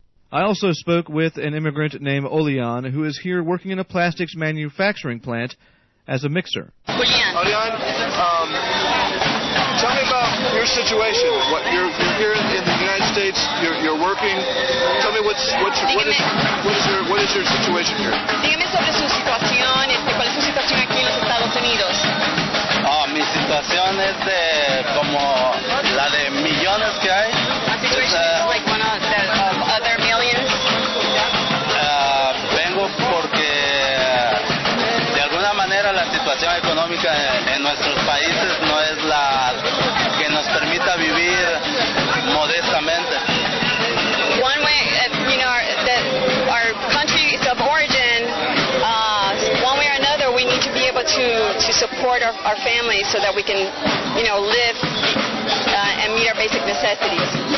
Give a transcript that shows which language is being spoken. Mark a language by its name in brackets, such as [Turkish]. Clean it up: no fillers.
[English] I also spoke with an immigrant named Olian, who is here working in a plastics manufacturing plant as a mixer. Olian, tell me about your situation. What you're here in the United States, you're working. Tell me what is your situation here? [Spanish] Dígame sobre su situación, cuál es su situación aquí en los Estados Unidos. Mi situación es de como la de millones que hay. [English] My situation is like one of the other millions. [Spanish] Vengo porque de alguna manera la situación económica en nuestros países no es la que nos permita vivir modestamente. [English] One way, you know, that our country is of origin, one way or another, we need to be able to support our families so that we can, you know, live and meet our basic necessities.